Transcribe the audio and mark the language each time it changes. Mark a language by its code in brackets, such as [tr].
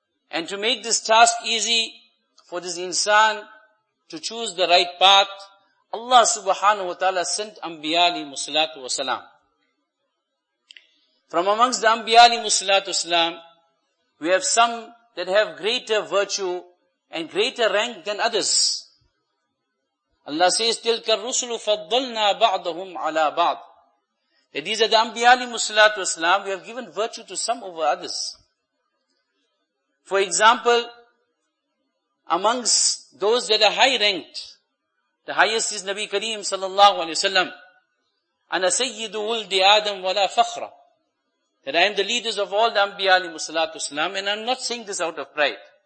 [en] And to make this task easy for this insan to choose the right path, Allah subhanahu wa ta'ala sent Anbiya alayhi salatu wa salam. From amongst the Anbiya alayhi salatu wa salam, we have some that have greater virtue and greater rank than others. [ar] Allah says, تِلْكَ الرُّسُلُ فَضَّلْنَا بَعْضَهُمْ عَلَىٰ بَعْضٍ. [en] That these are the Anbiya alayhi salatu wa salam. We have given virtue to some over others. For example, amongst those that are high ranked, the highest is Nabi Kareem sallallahu alayhi wa sallam. [ar] Ana sayyidu wuldi Adam wala fakhra. [en] That I am the leaders of all the Anbiya alayhi salatu wasalam, and I'm not saying this out of pride.